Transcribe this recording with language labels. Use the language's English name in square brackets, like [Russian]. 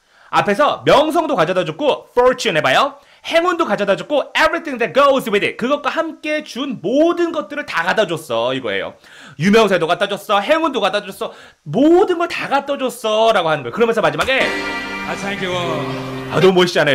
[Korean] 앞에서 명성도 가져다 줬고 fortune 해봐요. 행운도 가져다 줬고 [English] everything that goes with it. [Korean] 그것과 함께 준 모든 것들을 다 갖다 줬어. 이거예요. 유명세도 갖다 줬어. 행운도 갖다 줬어. 모든 걸 다 갖다 줬어. 라고 하는 거예요. 그러면서 마지막에 [English] I thank you all. [Korean] 아, 너무 멋있잖아요.